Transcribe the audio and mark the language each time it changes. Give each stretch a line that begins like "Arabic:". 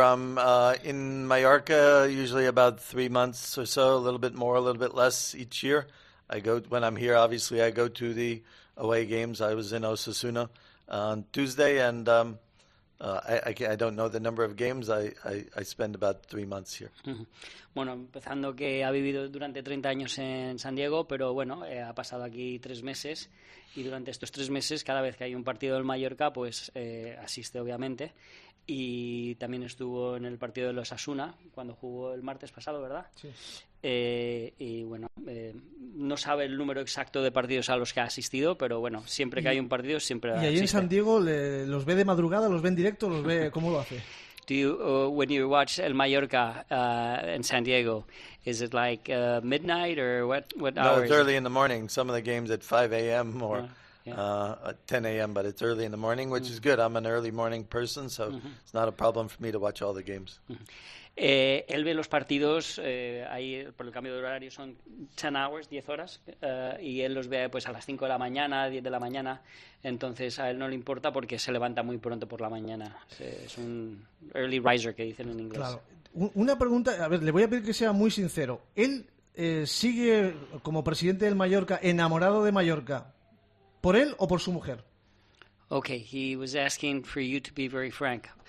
English: I'm in Mallorca usually about 3 months or so, a little bit more, a little bit less each year. I go when I'm here. Obviously, I go to the away games. I was in Osasuna on Tuesday, and I don't know the number of games. I spend about 3 months here.
Spanish: Bueno, empezando que ha vivido durante 30 años en San Diego, pero bueno, ha pasado aquí 3 meses, y durante estos 3 meses, cada vez que hay un partido del Mallorca, pues asiste, obviamente. Y también estuvo en el partido de los Osasuna cuando jugó el martes pasado, ¿verdad? Sí. Y bueno, no sabe el número exacto de partidos a los que ha asistido, pero bueno, siempre que hay un partido siempre asiste. ¿Y ahí en San Diego los ve de madrugada, los ve en directo, los ve cómo lo hace?
English: When you watch El Mallorca in San Diego, is it like midnight or what hour? No, it's early in the morning. Some of the games at 5 a.m. or at 10 a.m., but it's early in the morning, which is good. I'm an early morning person, so it's not a problem for me to watch all the games.
Spanish: Él ve los partidos, ahí por el cambio de horario son
English: 10 hours,
Spanish: 10 horas, y él los ve pues a las 5 de la mañana, 10 de la mañana, entonces a él no le importa porque se levanta muy pronto por la mañana. Es un
English: early riser,
Spanish: que dicen en inglés. Claro. Una pregunta, a ver, le voy a pedir que sea muy sincero. ¿Él sigue como presidente del Mallorca, enamorado de Mallorca, por él o por su mujer?
English: Okay, he was asking for you to be very frank.